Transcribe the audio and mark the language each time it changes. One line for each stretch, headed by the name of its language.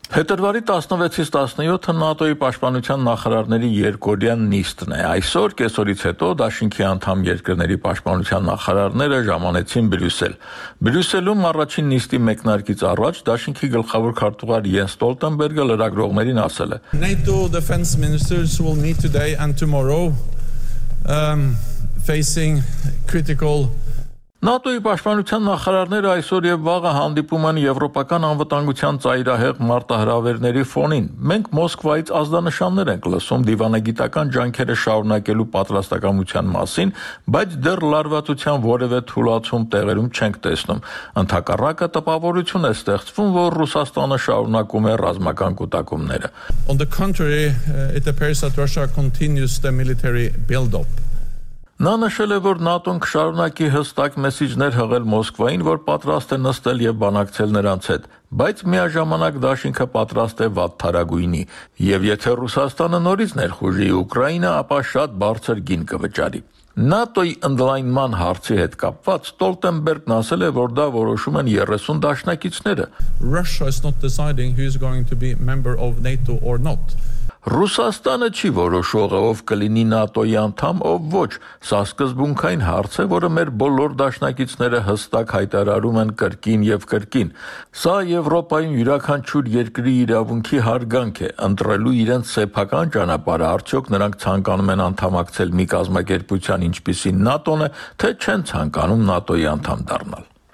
Armenian: Հետրվարի 16-ից 17-ը ՆԱՏՕ-ի պաշտպանության նախարարների երկօրյա նիստն է։ Այսօր կեսօրից հետո դաշինքի անդամ երկրների պաշտպանության նախարարները ժամանեցին Բրյուսել։ Բրյուսելում առաջին նիստի մեկնարկից առաջ դաշինքի գլխավոր քարտուղար Յենս Ստոլտենբերգը լրագրողներին ասել է.
English: NATO defense ministers will meet today and tomorrow facing critical
Armenian: ՆԱՏՕ-ի պաշտպանության նախարարները այսօր եւ վաղը հանդիպում են եվրոպական անվտանգության ծայրահեղ մարտահրավերների ֆոնին։ Մենք Մոսկվայից ազդանշաններ ենք լսում դիվանագիտական ջանքերը շարունակելու պատրաստակամության մասին, բայց դեռ լարվածության որևէ թուլացում տեղերում չենք տեսնում։ Ընդհակառակը տպավորություն է ստեղծվում, որ Ռուսաստանը շարունակում է ռազմական կուտակումները։
English: On the contrary, it appears that Russia continues the military build-up.
Armenian: Նա նշել է, որ ՆԱՏՕ-ն կշարունակի հստակ մեսիջներ հղել Մոսկվային, որ պատրաստ է նստել և բանակցել նրանց հետ, բայց միաժամանակ դաշինքը պատրաստ է վատթարագույնի, և եթե Ռուսաստանը նորից ներխուժի Ուկրաինա, ապա շատ բարձր գին կվճարի։ ՆԱՏՕ-ի ընդլայնման հարցի հետ կապված Ստոլտենբերգն ասել է, որ դա որոշում են 30 դաշնակիցները։
English: Russia is not deciding who is going to be member of NATO or not.
Armenian: Ռուսաստանը չի որոշողը, ով կլինի ՆԱՏՕ-ի անդամ, ով ոչ։ Սա սկզբունքային հարց է, որը մեր բոլոր դաշնակիցները հստակ հայտարարում են կրկին և կրկին։ Սա Եվրոպայում յուրաքանչյուր երկրի իրավունքի հարգանք է, ընտրելու իրենց սեփական ճանապարհը, արդյոք նրանք ցանկանում են անդամակցել մի կազմակերպության, ինչպիսին ՆԱՏՕ-ն է, թե չեն ցանկանում ՆԱՏՕ-ի անդամ դառնալ։